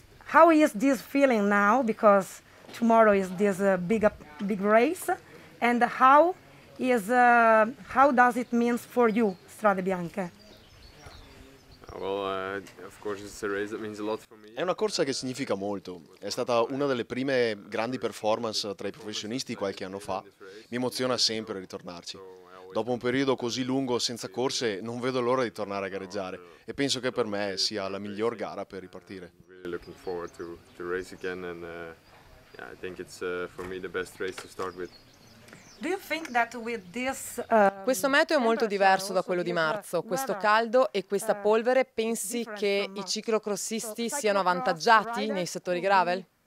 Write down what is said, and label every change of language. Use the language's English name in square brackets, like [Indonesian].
[English] How is this feeling now, because tomorrow is this big race, and how does it mean for you, Strade Bianche? Well, of course it's a race that means a lot for me. [Italian] È una corsa che significa molto. È stata una delle prime grandi performance tra i professionisti qualche anno fa. Mi emoziona sempre ritornarci. Dopo un periodo così lungo senza corse, non vedo l'ora di tornare a gareggiare e penso che per me sia la miglior gara per ripartire. [English] Really looking forward to race again, and yeah, I think it's for me the best race to start with. Do you think that with this, [Italian] questo meteo è molto diverso da quello di marzo. Questo caldo e questa polvere, pensi che i ciclocrossisti siano avvantaggiati nei settori gravel?